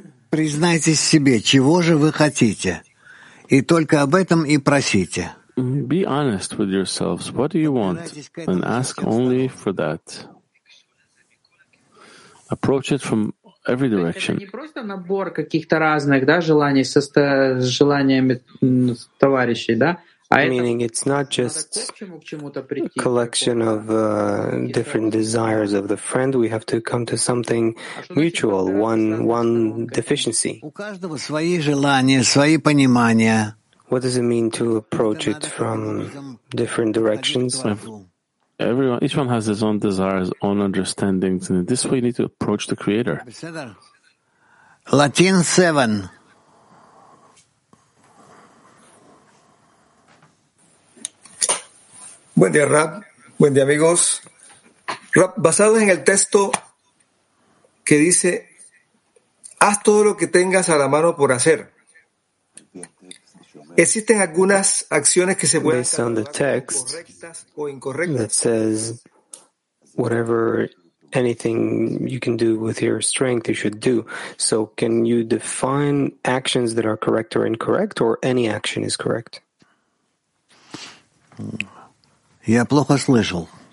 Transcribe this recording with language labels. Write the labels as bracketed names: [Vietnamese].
[Russian] Признайтесь себе, чего же вы хотите, и только об этом и просите. [English] Be honest with yourselves. What do you want? And ask only for that. Approach it from every direction. [Russian] Это не просто набор каких-то разных, да, желаний со желаниями товарищей, да? [English] Meaning it's not just a collection of different desires of the friend. We have to come to something mutual, one deficiency. What does it mean to approach it from different directions? Everyone, each one has his own desires, own understandings, and in this way you need to approach the Creator. Latin 7. [Spanish] Buen día, Rab. Buen día, amigos. Rab, basados en el texto que dice, haz todo lo que tengas a la mano por hacer. ¿Existen algunas acciones que se pueden hacer correctas o incorrectas? [English] That says, whatever, anything you can do with your strength, you should do. So can you define actions that are correct or incorrect, or any action is correct? [Russian] Я плохо слышал.